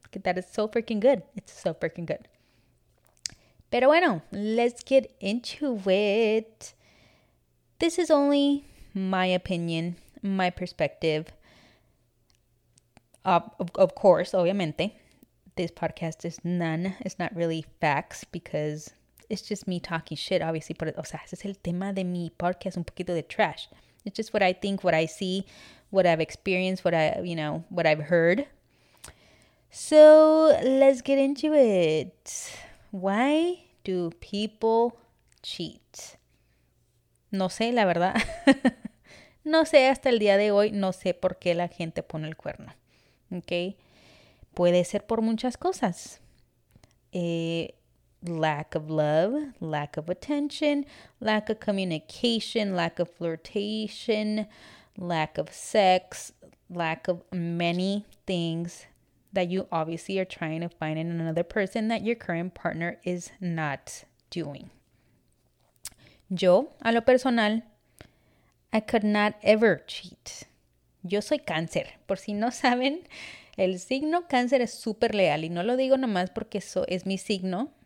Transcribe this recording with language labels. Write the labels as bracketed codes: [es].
[en] Que that is so freaking good. It's so freaking good. [es] Pero bueno, [en] let's get into it. This is only my opinion, my perspective. Of course, [es] obviamente, [en] this podcast is none. It's not really facts because it's just me talking shit, obviously. [es] Pero, o sea, ese es el tema de mi podcast, un poquito de trash. [en] It's just what I think, what I see, what I've experienced, what I've heard. So let's get into it. Why do people cheat? [es] No sé, la verdad. No sé, hasta el día de hoy, no sé por qué la gente pone el cuerno. Okay. Puede ser por muchas cosas. [en] Lack of love, lack of attention, lack of communication, lack of flirtation, lack of sex, lack of many things that you obviously are trying to find in another person that your current partner is not doing. [es] Yo, a lo personal, [en] I could not ever cheat. [es] Yo soy cáncer. Por si no saben, el signo cáncer es súper leal. Y no lo digo nomás porque eso es mi signo.